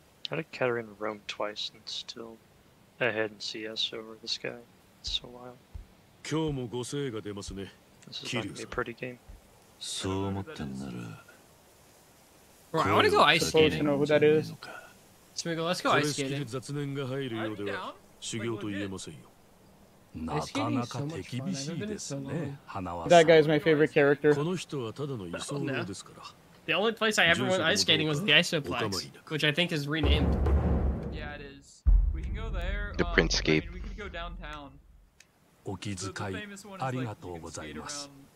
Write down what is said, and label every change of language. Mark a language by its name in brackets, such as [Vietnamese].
[English] How did Katarina roam twice and still ahead and see us over this guy? It's so wild. [Japanese] 今日も五星が出ますね。 [English] This is not a pretty game. [Japanese] そう思ってんなら、 [English] bro, I want to go ice skating. You know who that is? Smiggle, let's go ice skating. [Japanese] 雑念が入るようでは修行と言えませんよ。なかなか厳しいですね。花は。 [English] That guy is my favorite character. [Japanese] この人はただの居候ですから。 [English] The only place I ever went ice skating was the Isoplex, which I think is renamed. Yeah, it is. We can go there. The Princescape. I mean, we can go downtown. [Japanese] お気遣い、ありがとうございます。